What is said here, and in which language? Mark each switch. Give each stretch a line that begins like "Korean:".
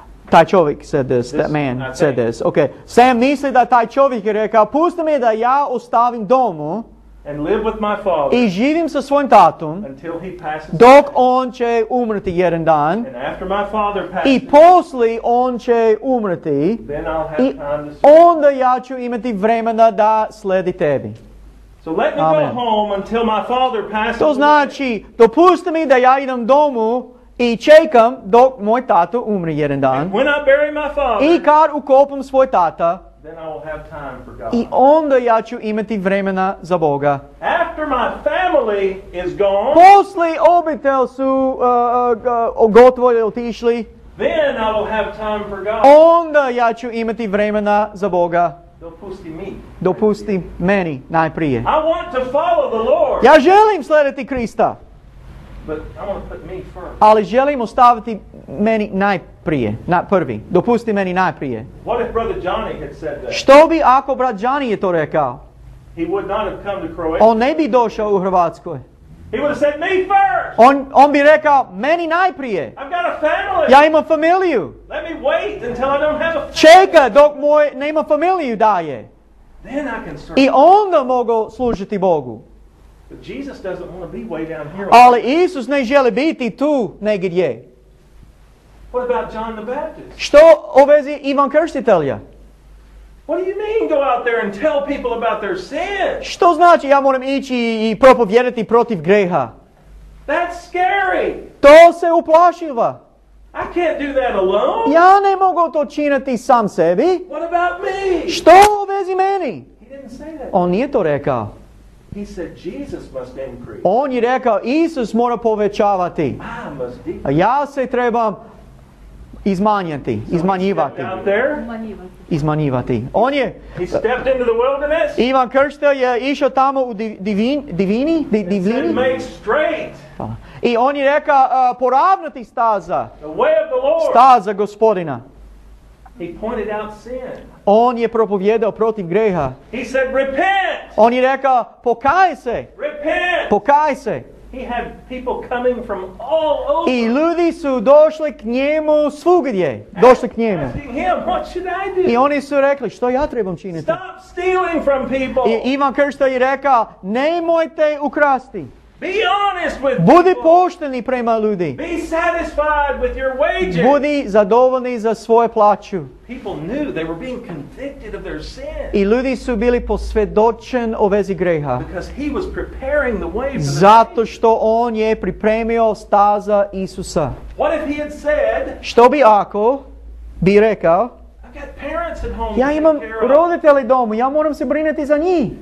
Croatian: Taj čovjek
English: said this, that man said this.
Croatian: Okay. Sam misli da taj čovjek je rekao, pusti me da ja ostavim domu
English: and live with my father,
Croatian: i živim sa svojim tatom
English: until he passes,
Croatian: dok on će umrti jedan dan,
English: and after my father passes,
Croatian: i posle on će umrti,
English: then I'll have time to serve.
Croatian: Onda ja ću imati vremena da sledi tebi.
English: So let me Amen. Go home until my father passes.
Croatian: To znači, dopusti mi da ja idem domu i čekam dok moj tato umri jedan dan.
English: And when I bury my father,
Croatian: i kad ukopam svoj tata,
English: then I will have time for God.
Croatian: I onda ja ću imati vremena za Boga.
English: After my family is gone,
Croatian: posle obitelj su gotovo otišli,
English: then I will have time for God.
Croatian: Onda ja ću imati vremena za Boga. Dopusti meni najprije.
English: I want to follow the Lord.
Croatian: Ja želim slediti Krista.
English: But I want to put me first.
Croatian: Ali želim ostaviti meni najprije, prvi. Dopusti meni najprije.
English: What if Brother Johnny had said that?
Croatian: Što bi ako brat Johnny je to rekao?
English: He would not have come to Croatia.
Croatian: On ne bi došao u Hrvatskoj.
English: He would have said me first.
Croatian: On bi rekao meni najprije.
English: I've got a family.
Croatian: Ja imam familiju.
English: Let me wait until I don't have a family.
Croatian: Čeka dok moj nema familiju daje.
English: Then I can serve.
Croatian: I onda mogu služiti Bogu.
English: Jesus doesn't want to be way down here.
Croatian: Ali Isus ne želi biti tu negdje.
English: What about John the Baptist?
Croatian: Što o vezi Ivan Krstitelja?
English: What do you mean go out there and tell people about their sin?
Croatian: Što znači ja moram ići i propovjedati protiv greha?
English: That's scary.
Croatian: To se uplašiva.
English: I can't do that alone.
Croatian: Ja ne mogu to činiti sam sebi.
English: What about me?
Croatian: Što o vezi meni?
English: He didn't say that.
Croatian: On nije to rekao.
English: He said, Jesus must increase.
Croatian: On je rekao, Isus mora povećavati.
English: I
Croatian: ja se trebam izmanjati, izmanjivati. Izmanjivati. On je...
English: He stepped into the wilderness.
Croatian: Ivan Krstitelj je išao tamo u divini. Divini.
English: And said, make straight.
Croatian: I on je rekao, poravnati staza.
English: The way of the Lord.
Croatian: Staza gospodina.
English: He pointed out sin.
Croatian: On je propovjedao protiv greha.
English: He said, repent.
Croatian: On je rekao, pokaj se.
English: Repent.
Croatian: Pokaj se.
English: He had people coming from all over.
Croatian: I ljudi su došli k njemu svugdje. Došli k njemu.
English: Asking him, what should I do?
Croatian: I oni su rekli, što ja trebam činiti?
English: Stop stealing from people.
Croatian: I Ivan Krstitelj je rekao, nemojte ukrasti.
English: Be honest with people.
Croatian: Budi pošteni prema ljudi.
English: Be satisfied with your wages.
Croatian: Budi zadovoljni za svoju plaću.
English: People knew they were being convicted of their sin.
Croatian: I ljudi su bili posvjedočen o vezi greha.
English: Because he was preparing the way for the
Croatian: zato što on je pripremio staza Isusa.
English: What if he had said,
Croatian: što bi ako bi rekao, ja imam roditelje doma, ja moram se brinuti za njih.